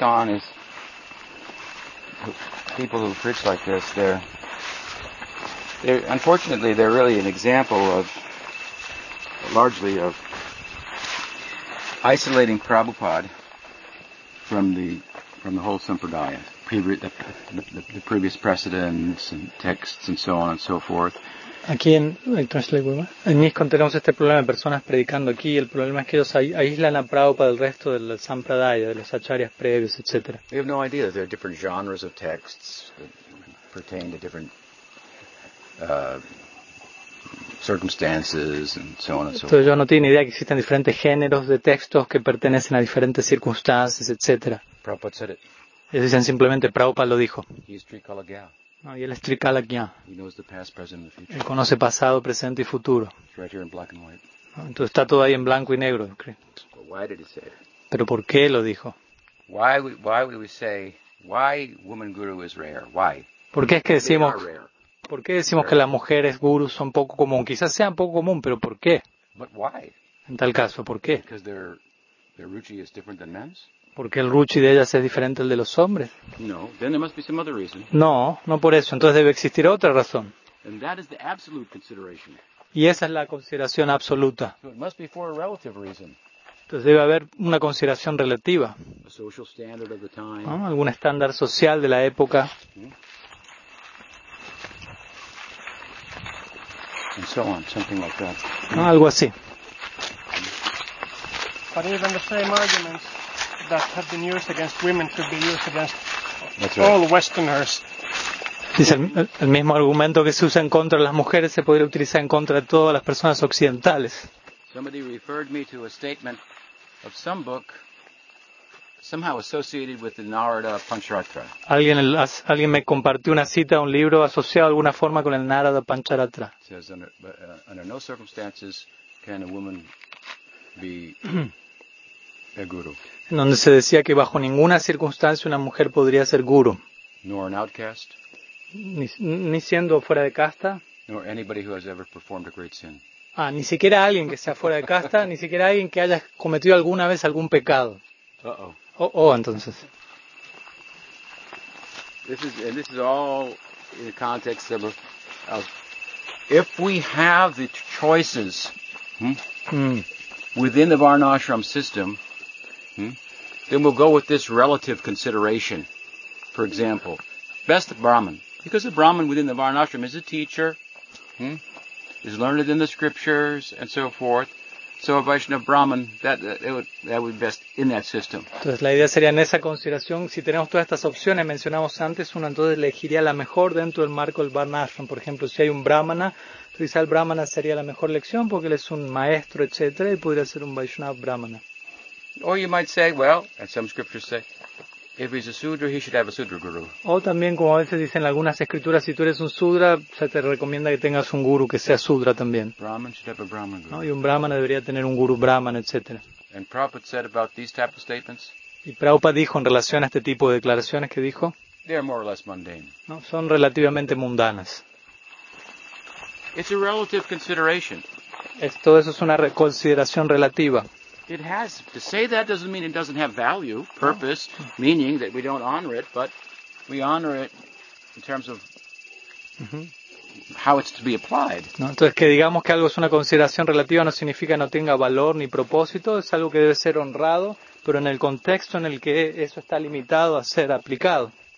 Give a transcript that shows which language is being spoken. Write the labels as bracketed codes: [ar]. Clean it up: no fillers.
[en] Is people who preach like this, they're unfortunately they're really an example of largely of isolating Prabhupada from the whole sampradaya, the previous precedents and texts and so on and so forth. [es] Aquí en Iscon tenemos este problema de personas predicando aquí. El problema es que ellos aíslan a Prabhupada del resto del Sampradaya, de los acharyas previos, etc. [en] They have no idea that there are different genres of texts that pertain to different circumstances and so on and so forth. [es] Entonces, ellos no tienen idea que existen diferentes géneros de textos que pertenecen a diferentes circunstancias, etc. [en] Prabhupada said it. [es] Ellos dicen simplemente, Prabhupada lo dijo. [en] He's Trikala Gya. [es] No, y él es Trikala Gya. [en] He knows the past, present, and future. [es] Él conoce pasado, presente y futuro. [en] It's right here in black and white. [es] No, entonces está todo ahí en blanco y negro. [en] But why did he say it? [es] ¿Pero por qué lo dijo? [en] Why would we say woman guru is rare? Why? [es] ¿Por qué es que decimos? ¿Por qué decimos rare. Que las mujeres gurus son poco común? Quizás sean poco común, pero ¿por qué? [en] But why? [es] En tal caso, ¿por qué? [en] Because their ruchi is different than men's. [es] Porque el ruchi de ellas es diferente al de los hombres. [en] No, then there must be some other reason. [es] No, no por eso. Entonces debe existir otra razón. [en] And that is the absolute consideration. [es] Y esa es la consideración absoluta. [en] So it must be for a relative reason. [es] Entonces debe haber una consideración relativa. [en] A social standard of the time. [es] ¿No? Algún estándar social de la época. [en] And so on, something like that. [es] ¿No? Algo así. [en] But even the same arguments that have been used against women could be used against right. All Westerners. [es] Dice el mismo argumento que se usa en contra de las mujeres se podría utilizar en contra de todas las personas occidentales. [en] Somebody referred me to a statement of some book somehow associated with the Narada Pancharatra. [es] Alguien me compartió una cita de un libro asociado de alguna forma con el Narada Pancharatra. [en] It says, under no circumstances can a woman be a guru. [es] En donde se decía que bajo ninguna circunstancia una mujer podría ser guru. [en] Nor an outcast. [es] Ni siendo fuera de casta. [en] Nor anybody who has ever performed a great sin. [es] Ah, ni siquiera alguien que sea fuera de casta, ni siquiera alguien que haya cometido alguna vez algún pecado. Uh-oh. Oh, entonces. [en] This is all in the context of if we have the choices within the Varnashram system, then we'll go with this relative consideration for example, best Brahman, because the Brahman within the Varnashram is a teacher, is learned in the scriptures, and so forth. So a Vaishnava Brahman, that would be best in that system. [es] Entonces la idea sería en esa consideración, si tenemos todas estas opciones mencionamos antes, uno entonces elegiría la mejor dentro del marco del Varnashram. Por ejemplo, si hay un Brahmana, quizá el Brahmana sería la mejor lección porque él es un maestro, etc., y podría ser un Vaishnava Brahmana. [en] Or you might say, well, as some scriptures say, if he's a Sudra, he should have a Sudra Guru. [es] O también, como a veces dicen en algunas escrituras, si tú eres un Sudra, se te recomienda que tengas un Guru que sea Sudra también. [en] Brahman should have a Brahman Guru. [es] No, y un Brahmana debería tener un Guru Brahman, etc. [en] And Prabhupada said about these type of statements, [es] y Prabhupada dijo en relación a este tipo de declaraciones que dijo, [en] they are more or less mundane. [es] No, son relativamente mundanas. [en] It's a relative consideration. [es] Todo eso es una consideración relativa. [en] It has. To say that doesn't mean it doesn't have value, purpose, meaning that we don't honor it, but we honor it in terms of how it's to be applied. [es] No, entonces, que digamos que algo es una consideración relativa no significa no tenga valor ni propósito, es algo que debe ser honrado, pero en el contexto en el que eso está limitado a ser aplicado.